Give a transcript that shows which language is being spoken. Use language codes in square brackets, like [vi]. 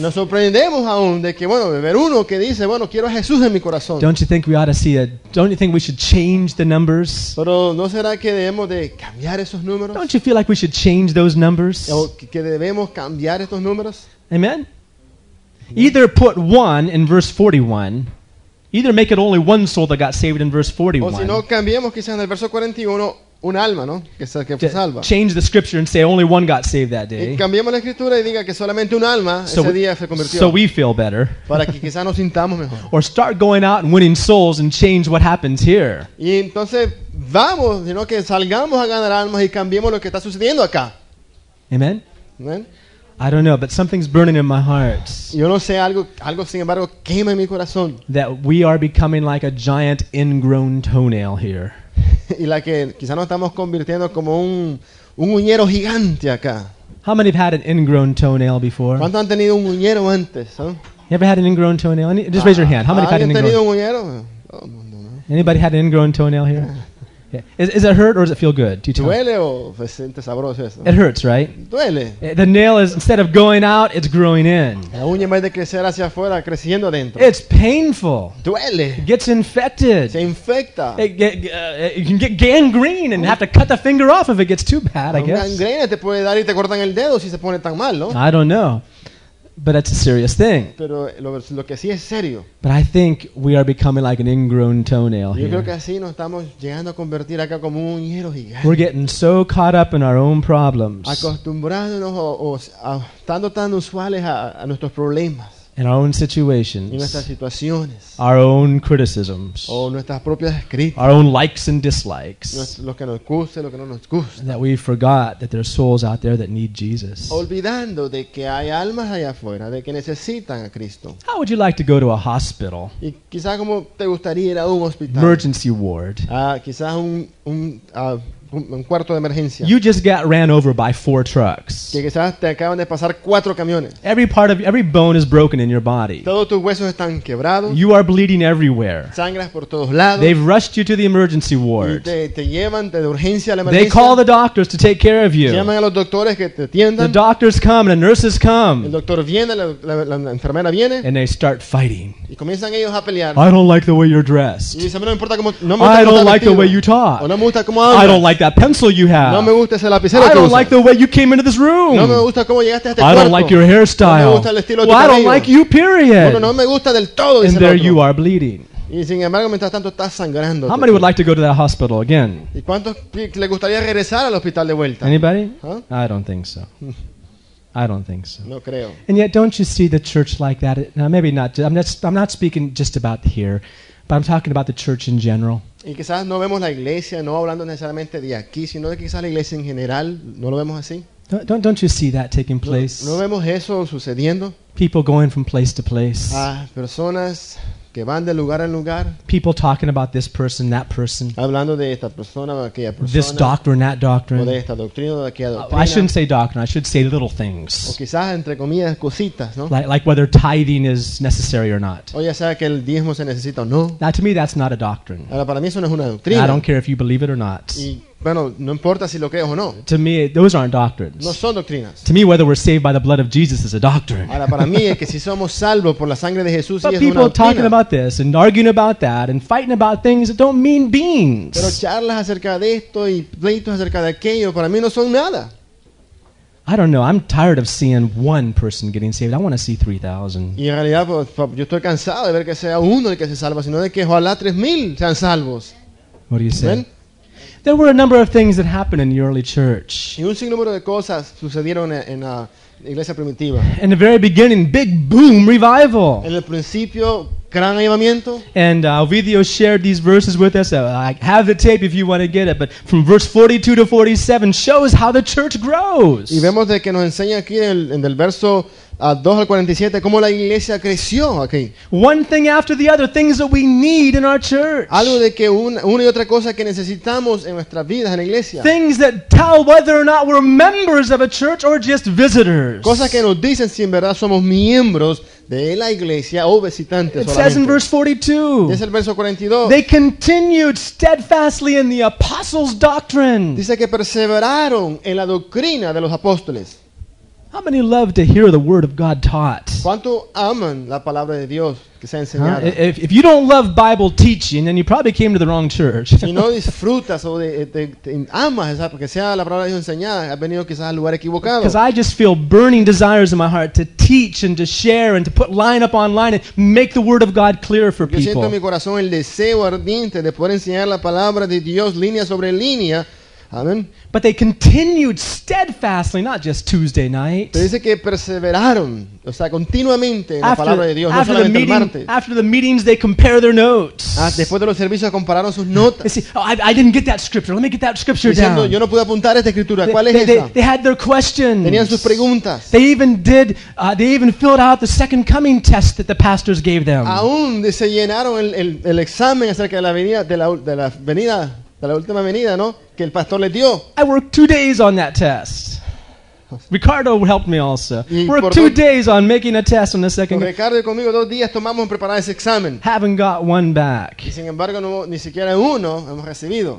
[es] Nos sorprendemos aún de que bueno ver uno que dice bueno quiero a Jesús en mi corazón. [en] Don't you think we ought to see it? Don't you think we should change the numbers? [es] Pero no será que debemos de cambiar esos números? [en] Don't you feel like we should change those numbers? [es] O que debemos cambiar estos números? [en] Amen. Either put one in verse 41. Either make it only one soul that got saved in verse 41. [es] O si no, cambiemos quizás en el verso 41 un alma, ¿no? Que fue salva. [en] Change the scripture and say only one got saved that day. [es] Y cambiemos la escritura y diga que solamente un alma ese día se convirtió. [en] So we feel better. [es] Para que quizás nos sintamos mejor. [en] Or start going out and winning souls and change what happens here. [es] Y entonces vamos, sino que salgamos a ganar almas y cambiemos lo que está sucediendo acá. Amen. Amen. [en] I don't know, but something's burning in my heart. [es] Yo no sé, algo sin embargo quema en mi corazón. [en] That we are becoming like a giant ingrown toenail here. [es] Y la que quizá nos estamos convirtiendo como un uñero gigante acá. [en] How many have had an ingrown toenail before? [es] ¿Cuántos han tenido un uñero antes? [en] You ever had an ingrown toenail? Just raise your hand. How many have had an ingrown? [es] ¿Alguien ha tenido un uñero? Oh, no, no. [en] Anybody had an ingrown toenail here? Yeah. Is it hurt or does it feel good? [es] Duele o se siente sabroso eso. [en] It hurts, right? [es] Duele. [en] The nail is, instead of going out, it's growing in. [es] La uña en vez de crecer hacia afuera, creciendo adentro. [en] It's painful. [es] Duele. [en] It gets infected. [es] Se infecta. [en] You can get gangrene and have to cut the finger off if it gets too bad, I guess. [es] Gangrena te puede dar y te cortan el dedo si se pone tan mal, ¿no? [en] I don't know. But that's a serious thing. [es] Pero lo que sí es serio. [en] But I think we are becoming like an ingrown toenail here. [es] Yo creo que así nos estamos llegando a convertir acá como un uñero gigante. [en] We're getting so caught up in our own problems. [es] Acostumbrándonos o estando tan usuales a nuestros problemas. [en] In our own situations. [es] Y nuestras situaciones. [en] Our own criticisms. [es] O nuestras propias críticas. [en] Our own likes and dislikes. [es] Lo que nos gusta, lo que no nos gusta. [en] That we forgot that there are souls out there that need Jesus. [es] Olvidando de que hay almas allá afuera, de que necesitan a Cristo. [en] How would you like to go to a hospital? [es] Y quizás como te gustaría ir a un hospital. [en] Emergency ward. [es] Quizás un cuarto de emergencia. [en] You just got ran over by 4 trucks. [es] Que quizás te acaban de pasar 4 camiones. [en] Every bone is broken in your body. [es] Todos tus huesos están quebrados. [en] You are bleeding everywhere. [es] Sangras por todos lados. [en] They've rushed you to the emergency ward. [es] Y te llevan de urgencia a la emergencia. [en] They call the doctors to take care of you. [es] Llaman a los doctores que te atiendan. [en] The doctors come and the nurses come. [es] El doctor viene, la enfermera viene. [en] And they start fighting. [es] Y comienzan ellos a pelear. [en] I don't like the way you're dressed. [es] Y dicen, no me importa cómo [en] I don't like the way you talk. [es] O no me gusta cómo hablas. [en] I don't like like that pencil you have. [es] No me gusta ese lapicero [en] I don't like the way you came into this room. [es] No me gusta cómo llegaste a este [en] I don't [es] cuarto. [en] Like your hairstyle. [es] No me gusta el estilo [en] well, [es] de tu cabello. [en] I don't like you, period. [es] Bueno, no me gusta del todo, [en] and there [es] otro. [en] You are bleeding. [es] Y sin embargo, mientras tanto, estás sangrando. [en] How many would like to go to that hospital again? [es] ¿Y cuántos le gustaría regresar al hospital de vuelta? [en] Anybody? Huh? I don't think so. [es] No creo. [en] And yet, don't you see the church like that? Now, maybe not. I'm not speaking just about here, but I'm talking about the church in general. [es] Y quizás no vemos la iglesia, no hablando necesariamente de aquí, sino de quizás la iglesia en general. No lo vemos así. [en] Don't you see that taking place? [es] No vemos eso sucediendo. [en] People going from place to place. [es] Personas que van de lugar en lugar. [en] People talking about this person, that person. [es] Hablando de esta persona, aquella persona. [en] This doctrine, that doctrine. [es] O de esta doctrina, de aquella doctrina. [en] I shouldn't say doctrine. I should say little things. [es] O quizás entre comillas cositas, ¿no? [en] Like whether tithing is necessary or not. [es] O ya sea que el diezmo se necesita o no. [en] Now, to me, that's not a doctrine. [es] Ahora, para mí eso no es una doctrina. [en] I don't care if you believe it or not. [es] Bueno, no importa si lo crees o no. [en] To me, those aren't doctrines. [es] No son doctrinas. [en] To me, whether we're saved by the blood of Jesus is a doctrine. [es] Ahora, para mí es que si somos salvos por la sangre de Jesús, [en] but people [es] una doctrina. [en] Talking about this and arguing about that and fighting about things that don't mean beans. [es] Pero charlas acerca de esto y pleitos acerca de aquello, para mí no son nada. [en] I don't know. I'm tired of seeing one person getting saved. I want to see 3,000. [es] Y en realidad, yo estoy cansado de ver que sea uno el que se salva, sino de que ojalá 3,000 sean salvos. [en] What do you say? There were a number of things that happened in the early church. [es] Y un sinnúmero de cosas sucedieron en la iglesia primitiva. [en] In the very beginning, big boom revival. [es] En el principio, gran avivamiento. [en] And Ovidio shared these verses with us. I have the tape if you want to get it. But from verse 42 to 47 shows how the church grows. [es] Y vemos de que nos enseña aquí en el verso 2 al 47 cómo la iglesia creció aquí. [en] One thing after the other, things that we need in our church. [es] Algo de que una y otra cosa que necesitamos en nuestras vidas en la iglesia. [en] Things that tell whether or not we're members of a church or just visitors. [es] Cosas que nos dicen si en verdad somos miembros de la iglesia o visitantes. [en] It says in verse 42. [es] Dice el verso 42. [en] They continued steadfastly in the apostles' doctrine. [es] Dice que perseveraron en la doctrina de los apóstoles. [en] How many love to hear the word of God taught? [es] ¿Cuánto aman la palabra de Dios que sea enseñada? Huh? [en] If you don't love Bible teaching, then you probably came to the wrong church. [es] Si no disfrutas o te amas esa porque sea la palabra de Dios enseñada, has venido quizás al lugar equivocado. [en] Because I just feel burning desires in my heart to teach and to share and to put line up online and make the word of God clear for people. [es] Yo siento en mi corazón el deseo ardiente de poder enseñar la palabra de Dios línea sobre línea. Amen. [en] But they continued steadfastly, not just Tuesday night. [es] Pero dice que perseveraron, o sea, continuamente en la [en] after, [es] palabra de Dios, no solamente [en] meeting, [es] el martes. [en] After the meetings, they compare their notes. [es] Después de los servicios compararon sus notas. [en] They say, oh, I didn't get that scripture. Let me get that scripture [es] diciendo, [en] down. [es] Yo no pude apuntar esta escritura. ¿Cuál es esa? [en] They had their questions. [es] Tenían sus preguntas. [en] They even did. They even filled out the second coming test that the pastors gave them. [es] Aún se llenaron el examen acerca de la venida de la venida. De la última venida, ¿no? Que el pastor les dio. [en] I worked 2 days on that test. Ricardo helped me also. Worked 2 days on making a test on the second. [es] Ricardo y conmigo 2 días tomamos en preparar ese examen. [en] Haven't got one back. [es] Y sin embargo, no, ni siquiera uno hemos recibido.